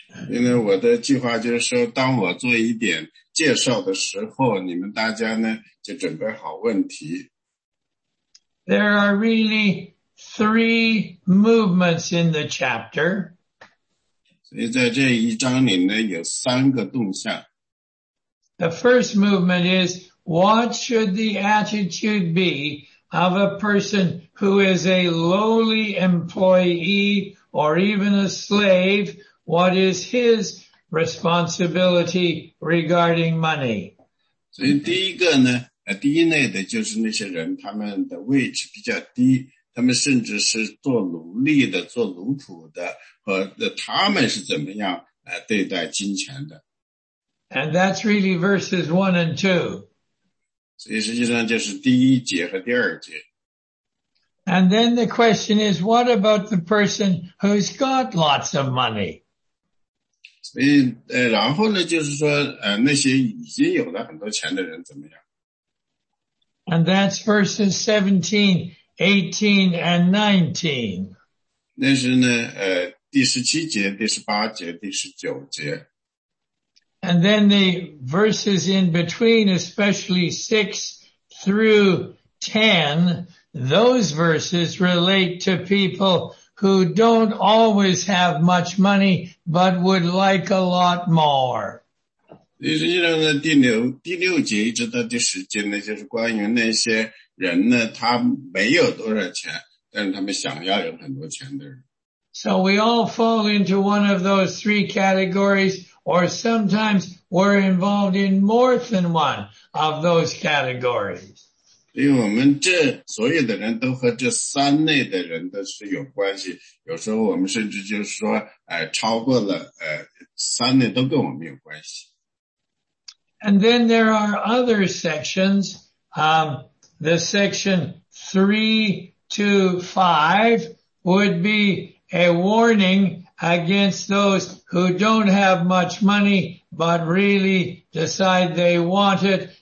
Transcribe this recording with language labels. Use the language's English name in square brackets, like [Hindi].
[Chinese] 因为我的计划就是说，当我做一点介绍的时候，你们大家呢就准备好问题。 [English] There are really three movements in the chapter. [Chinese] 所以在这一章里呢，有三个动向。 [English] The first movement is,What should the attitude be of a person who is a lowly employee or even a slave? What is his responsibility regarding money? [Chinese] 所以第一个呢，第一类的就是那些人，他们的位置比较低，他们甚至是做奴隶的，做奴仆的，和他们是怎么样对待金钱的。 [English] And that's really verses 1 and 2. [Chinese] 所以实际上就是第一节和第二节。 [English] And then the question is, what about the person who's got lots of money? [Chinese] 所以然后呢就是说那些已经有了很多钱的人怎么样。 [English] And that's verses 17, 18 and 19. [Chinese] 那是呢第17节、第18节、第19节。 [English] And then the verses in between, especially 6 through 10, those verses relate to people who don't always have much money, but would like a lot more. [Chinese] 实际上呢，第六节一直到第十节呢，就是关于那些人呢，他没有多少钱，但是他们想要有很多钱的人。 [English] So we all fall into one of those three categories, or sometimes we're involved in more than one of those categories. [Chinese] 因为我们所有的人都和这三类的人都是有关系。有时候我们甚至就说超过了三类都跟我们有关系。 [English] And then there are other sections, the section 3 to 5 would be a warning against those who don't have much money, but really decide they want it.